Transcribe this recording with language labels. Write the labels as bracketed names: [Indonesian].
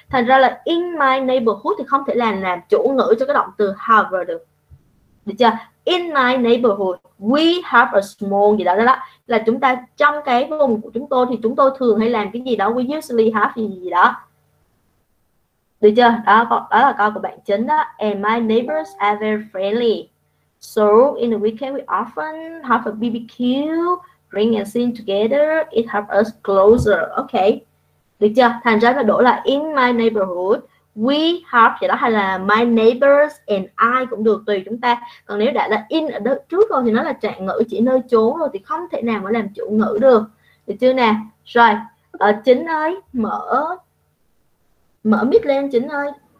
[Vietnamese] Thành ra là [English] in my neighborhood [Vietnamese] thì không thể làm chủ ngữ cho cái động từ have được. Được chưa? [English] In my neighborhood, we have a small [Vietnamese] gì đó. Là chúng ta trong cái vùng của chúng tôi thì chúng tôi thường hay làm cái gì đó, [English] we usually have [Vietnamese] gì đó. Được chưa? Đó là câu của bạn chính đó. [English] And my neighbors are very friendly. So in the weekend we often have a BBQ. Bring and sing together, it helps us closer. [Vietnamese] Ok, được chưa? Thành ra nó đổi là [English] in my neighborhood, we have, [Vietnamese] thì đó hay là [English] my neighbors and I [Vietnamese] cũng được, tùy chúng ta. Còn nếu đã là in ở đó trước rồi thì nó là trạng ngữ chỉ nơi chốn rồi thì không thể nào mà làm chủ ngữ được. Được chưa nè? Rồi, Chính ơi, mở mic lên Chính ơi.